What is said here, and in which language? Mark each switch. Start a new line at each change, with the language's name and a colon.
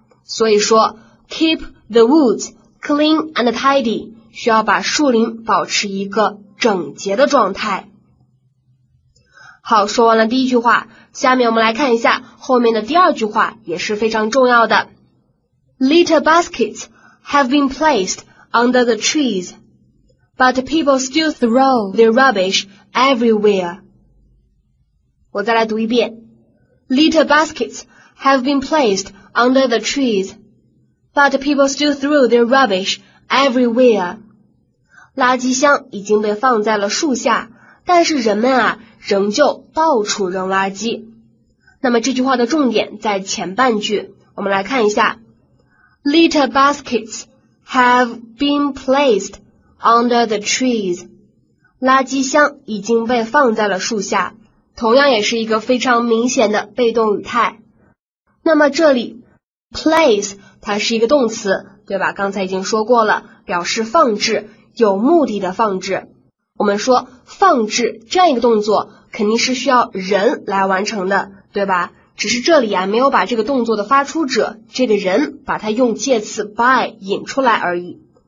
Chinese: 所以说
English: keep the woods clean and tidy
Chinese: 需要把树林保持一个整洁的状态。好，说完了第一句话，下面我们来看一下后面的第二句话，也是非常重要的。
English: Litter baskets have been placed under the trees, but people still throw their rubbish everywhere.
Chinese: 我再来读一遍。
English: Litter baskets have been placed under the trees, but people still throw their rubbish everywhere.
Chinese: 垃圾箱已经被放在了树下，但是人们啊仍旧到处扔垃圾。那么这句话的重点在前半句，我们来看一下。
English: Litter baskets have been placed under the trees.
Chinese: 垃圾箱已经被放在了树下，同样也是一个非常明显的被动语态。那么这里 place 它是一个动词对吧，刚才已经说过了，表示放置，有目的的放置。我们说放置这样一个动作肯定是需要人来完成的对吧，只是这里啊没有把这个动作的发出者这个人把它用介词 by 引出来而已。